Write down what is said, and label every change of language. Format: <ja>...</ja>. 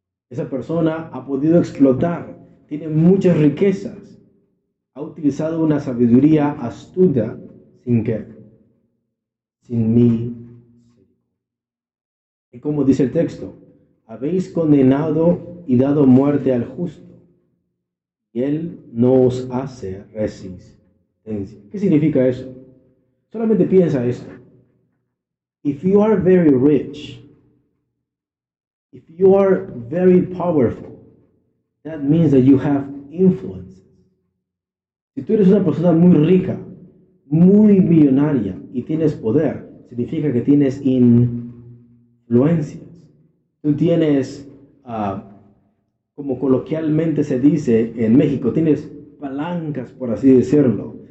<es>Esa persona ha podido explotar, tiene muchas riquezas, ha utilizado una sabiduría astuta sin que, sin mí. Y como dice el texto, habéis condenado y dado muerte al justo, y él no os hace resistencia. ¿Qué significa eso? Solamente piensa esto.</es> <en>If you are very rich, if you are very powerful, that means that you have influence.</en> <es>Si tú eres una persona muy rica, muy millonaria y tienes poder, significa que tienes influencias. Tú tienes, como coloquialmente se dice en México, tienes palancas, por así decirlo.</es>